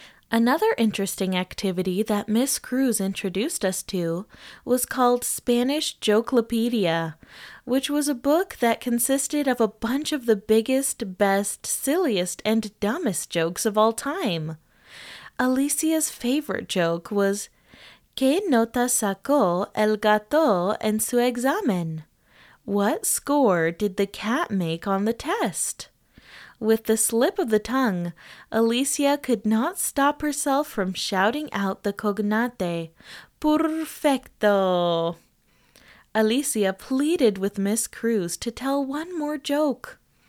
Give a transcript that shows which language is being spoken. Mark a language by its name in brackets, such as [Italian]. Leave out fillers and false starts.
[English] Another interesting activity that Miss Cruz introduced us to was called Spanish Joclopedia, which was a book that consisted of a bunch of the biggest, best, silliest, and dumbest jokes of all time. Alicia's favorite joke was, [Spanish] ¿Qué nota sacó el gato en su examen? [English] What score did the cat make on the test? With the slip of the tongue, Alicia could not stop herself from shouting out the cognate, Perfecto! Alicia pleaded with Miss Cruz to tell one more joke.